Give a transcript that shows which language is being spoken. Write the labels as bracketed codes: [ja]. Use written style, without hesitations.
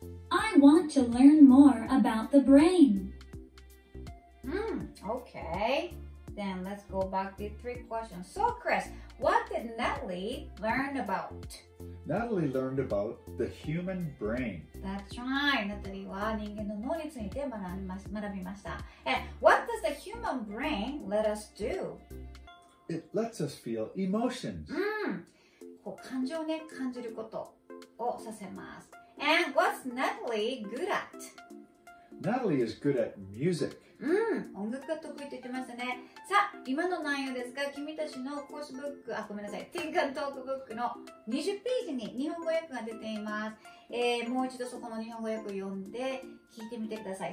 [en] I want to learn more about the brain. Okay, then let's go back to three questions. So, Chris, what did Natalie learn about? Natalie learned about the human brain. That's right. [ja] Natalie は人間の脳について学びました。 [en] And what does the human brain let us do? It lets us feel emotions. [ja] こう感情をね、感じることをさせます。 [en] And what's Natalie good at? Natalie is good at music. [ja] 音楽が得意と言ってましたね。さあ、今の内容ですが、君たちのコースブック、ごめんなさい、転換トークブックの20ページに日本語訳が出ています。もう一度そこの日本語訳を読んで聞いてみてください。